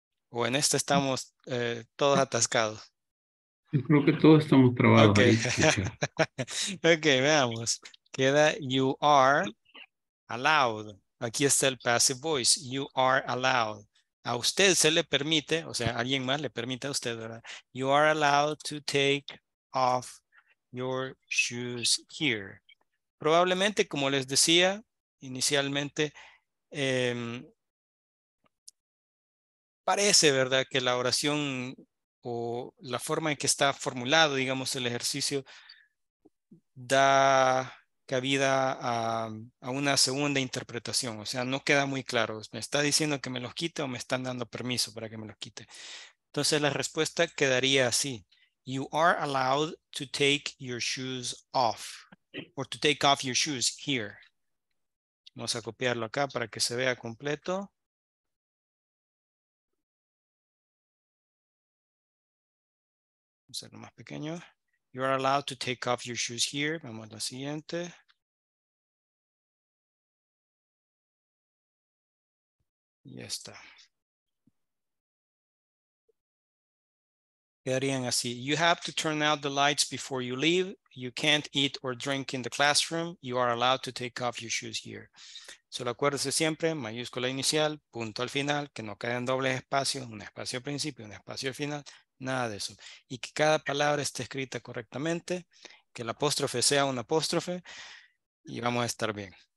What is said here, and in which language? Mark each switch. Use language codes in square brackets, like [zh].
[es] ¿O en esta estamos todos atascados? Yo creo que todos estamos trabados. Okay. Ok, veamos. Queda [en] you are allowed. [es] Aquí está el [en] passive voice. You are allowed. [es] A usted se le permite, o sea, alguien más le permite a usted, ¿verdad? [en] You are allowed to take off your shoes here. [es] Probablemente, como les decía inicialmente, parece, ¿verdad?, que la oración o la forma en que está formulado, digamos, el ejercicio, da cabida a una segunda interpretación. O sea, no queda muy claro. ¿Me está diciendo que me los quite o me están dando permiso para que me los quite? Entonces la respuesta quedaría así. [en] You are allowed to take your shoes off. Or to take off your shoes here. [es] Vamos a copiarlo acá para que se vea completo. Vamos a hacerlo más pequeño. [en] You are allowed to take off your shoes here. [es] Vamos a la siguiente. Ya está. Quedarían así. [en] You have to turn out the lights before you leave. You can't eat or drink in the classroom. You are allowed to take off your shoes here. [es] Solo acuérdese siempre, mayúscula inicial, punto al final, que no queden dobles espacios, un espacio al principio, un espacio al final, nada de eso. Y que cada palabra esté escrita correctamente, que el apóstrofe sea un apóstrofe, y vamos a estar bien.